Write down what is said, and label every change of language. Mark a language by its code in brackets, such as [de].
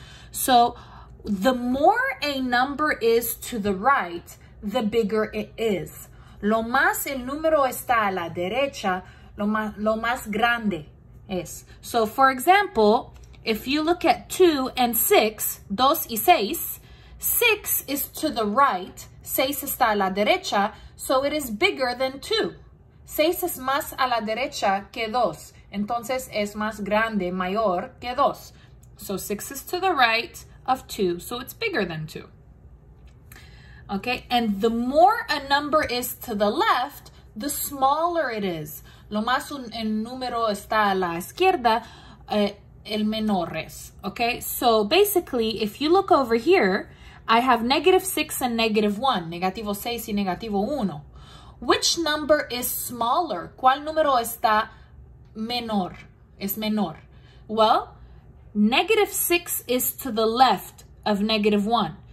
[en] So the more a number is to the right, the bigger it is. [es] Lo más el número está a la derecha, lo más grande es. [en] So for example, if you look at 2 and 6, [es] 2 y 6, [en] 6 is to the right, [es] 6 está a la derecha, [en] so it is bigger than 2. [es] 6 es más a la derecha que 2, entonces es más grande, mayor que 2. [en] So 6 is to the right of 2, so it's bigger than 2. Okay, and the more a number is to the left, the smaller it is. [es] Lo más un número está a la izquierda, el menor es. [en] Okay, so basically, if you look over here, I have -6 and -1, [es] -6 y -1. [en] Which number is smaller? [es] ¿Cuál número está menor? Es menor. [en] Well, -6 is to the left of -1.